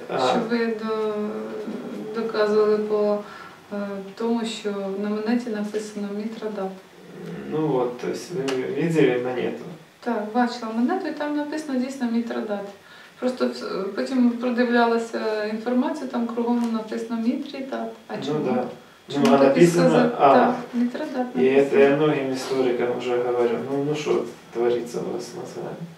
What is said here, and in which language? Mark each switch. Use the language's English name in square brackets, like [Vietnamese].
[Ukrainian] Що ви доказували по тому, що на монеті написано Митридат. [Russian] Ну от, то есть ви видели монету? [Ukrainian] Так, бачила монету, і там написано дійсно Митридат. Просто потім продивлялася інформацію, там кругом написано Митридат. А чому? Ну, да. Чому ну, а написано А. Митридат. І це я многим історикам вже говорю. Ну що твориться у вас мозгами?